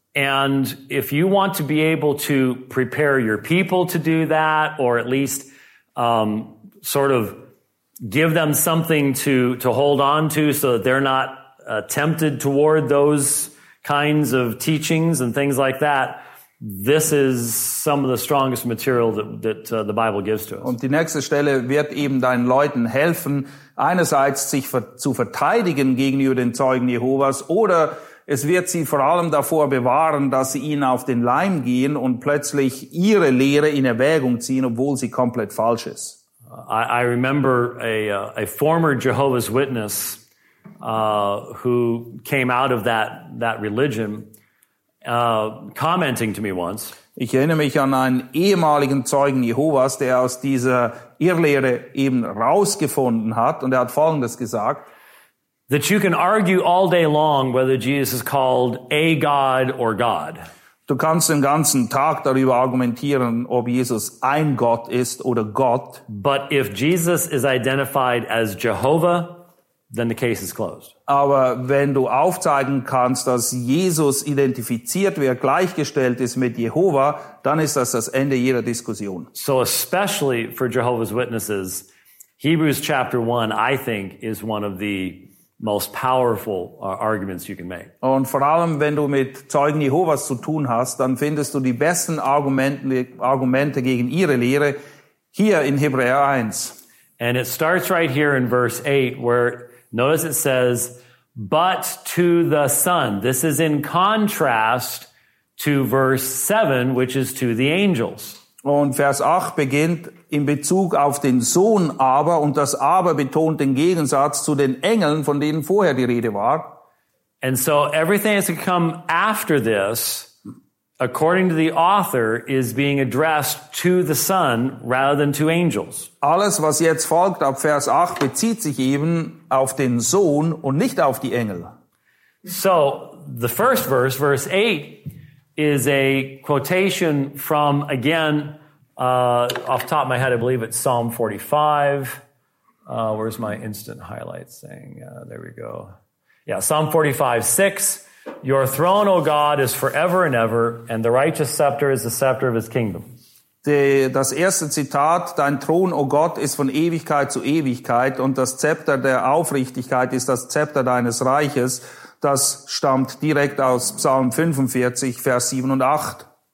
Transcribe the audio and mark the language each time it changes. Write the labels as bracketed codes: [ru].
[en] And if you want to be able to prepare your people to do that, or at least sort of give them something to hold on to, so that they're not tempted toward those kinds of teachings and things like that. This is some of the strongest material that the Bible gives to us. [de] Und die nächste Stelle wird eben deinen Leuten helfen, einerseits sich zu verteidigen gegenüber den Zeugen Jehovas, oder es wird sie vor allem davor bewahren, dass sie ihnen auf den Leim gehen und plötzlich ihre Lehre in Erwägung ziehen, obwohl sie komplett falsch ist. [en] I remember a former Jehovah's Witness who came out of that religion. Commenting to me once. [de] Ich erinnere mich an einen ehemaligen Zeugen Jehovas, der aus dieser Irrlehre eben rausgefunden hat, und er hat Folgendes gesagt: [en] That you can argue all day long whether Jesus is called a God or God. [de] Du kannst den ganzen Tag darüber argumentieren, ob Jesus ein Gott ist oder Gott. [en] But if Jesus is identified as Jehovah, then the case is closed. [de] Aber wenn du aufzeigen kannst, dass Jesus identifiziert wird, gleichgestellt ist mit Jehova, dann ist das Ende jeder Diskussion. [en] So especially for Jehovah's Witnesses, Hebrews chapter 1, I think, is one of the most powerful arguments you can make. [de] Und vor allem, wenn du mit Zeugen Jehovas zu tun hast, dann findest du die besten Argumente gegen ihre Lehre hier in Hebräer 1. [en] And it starts right here in verse 8, where, notice it says, but to the Son. This is in contrast to verse 7, which is to the angels. [de] Und Vers 8 beginnt in Bezug auf den Sohn aber, und das aber betont den Gegensatz zu den Engeln, von denen vorher die Rede war. [en] And so everything that's going to come after this, according to the author, is being addressed to the Son rather than to angels. [de] Alles, was jetzt folgt ab Vers 8, bezieht sich eben auf den Sohn und nicht auf die Engel. [en] So, the first verse, verse 8, is a quotation from, again, off the top of my head, I believe it's Psalm 45. Where's my instant highlight saying? There we go. Yeah, Psalm 45, 6. Your throne, O God, is forever and ever, and the righteous scepter is the scepter of his kingdom. [de] Das erste Zitat, dein Thron, O Gott, ist von Ewigkeit zu Ewigkeit, und das Zepter der Aufrichtigkeit ist das Zepter deines Reiches. Das stammt direkt aus Psalm 45, Vers 7 und 8.